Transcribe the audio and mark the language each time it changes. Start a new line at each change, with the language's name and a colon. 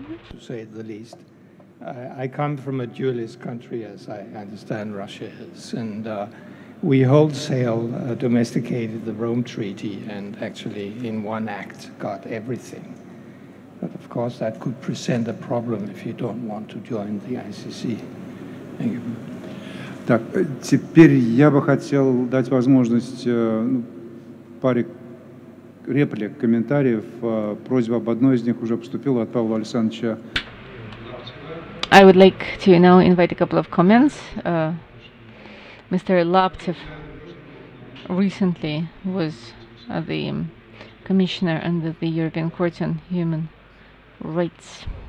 English: To say the least, I come from a dualist country, as I understand Russia is, and We wholesale domesticated the Rome Treaty and actually in one act got everything. But of course that could present a problem if you don't want to join the ICC. Thank you.
Russian: Так, теперь я бы хотел дать возможность паре реплик, комментариев. Просьба об одной из них уже поступила от Павла Александровича.
English: I would like to now invite a couple of comments. Mr. Laptev recently was the commissioner under the European Court on Human Rights.